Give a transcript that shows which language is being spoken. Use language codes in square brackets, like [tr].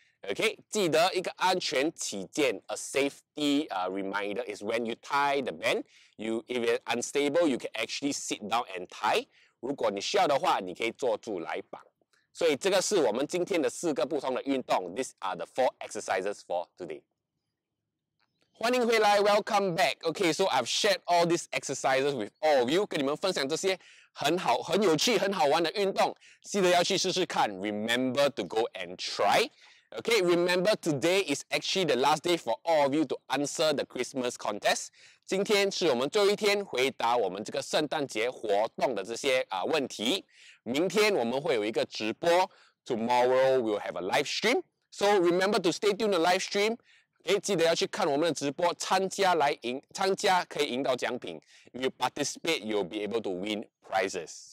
[en] Okay, [zh] 记得一个安全起见 [en] ，a safety reminder is when you tie the band, you if it's unstable, you can actually sit down and tie. [zh] 如果你需要的话，你可以坐住来绑。所以这个是我们今天的四个不同的运动。 [en] These are the four exercises for today. [zh] 欢迎回来 [en] ，Welcome back. Okay, so I've shared all these exercises with all of you, [zh] 跟你们分享这些很好很有趣很好玩的运动，记得要去试试看。 [en] Remember to go and try. Okay, remember today is actually the last day for all of you to answer the Christmas contest. [zh] 今天是我们最后一天回答我们这个圣诞节活动的这些问题。明天我们会有一个直播， [en] Tomorrow we'll have a live stream. So remember to stay tuned the live stream. [zh] 记得要去看我们的直播，参加可以赢到奖品。 [en] If you participate, you'll be able to win prizes.